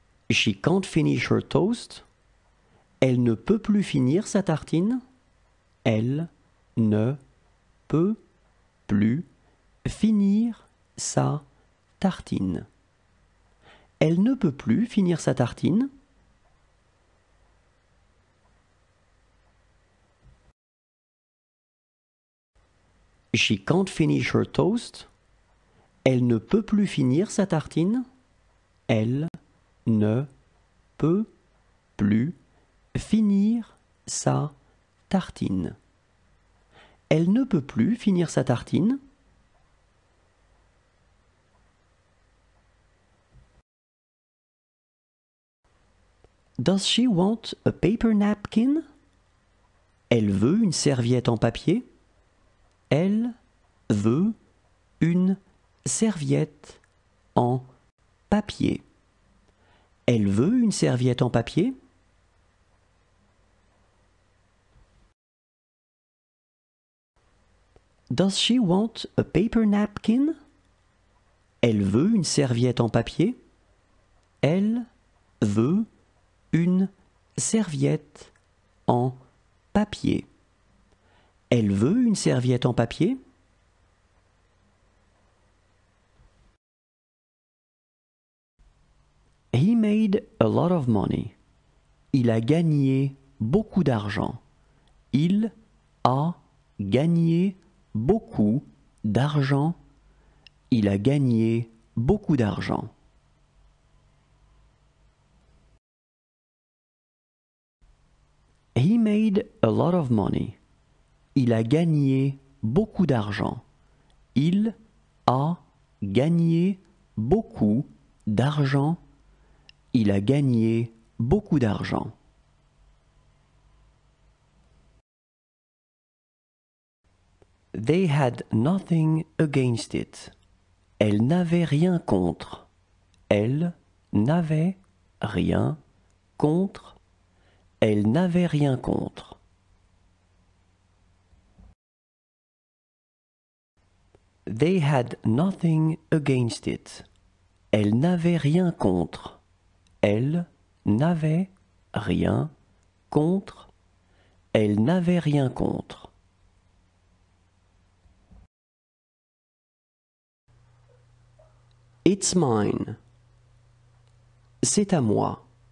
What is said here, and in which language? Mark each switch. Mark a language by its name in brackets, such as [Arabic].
[English] She can't finish her toast. [French] Elle ne peut plus finir sa tartine. Elle ne peut plus finir sa tartine. Elle ne peut plus finir sa tartine. [English] She can't finish her toast. [French] Elle ne peut plus finir sa tartine. Elle ne peut plus finir sa tartine. Elle ne peut plus finir sa tartine. [English] Does she want a paper napkin? [French] Elle veut une serviette en papier. Elle veut une serviette en papier. Elle veut une serviette en papier. [English] Does she want a paper napkin? [French] Elle veut une serviette en papier. Elle veut une serviette en papier. Elle veut une serviette en papier. [English] He made a lot of money. [French] Il a gagné beaucoup d'argent. Il a gagné beaucoup d'argent. Il a gagné beaucoup d'argent. [English] He made a lot of money. [French] Il a gagné beaucoup d'argent. Il a gagné beaucoup d'argent. Il a gagné beaucoup d'argent. [English] They had nothing against it. [French] Elle n'avait rien contre. Elle n'avait rien contre. Elle n'avait rien contre. [English] They had nothing against it. [French] Elle n'avait rien contre. Elle n'avait rien contre. Elle n'avait rien contre. [English] It's mine. [French] C'est à moi.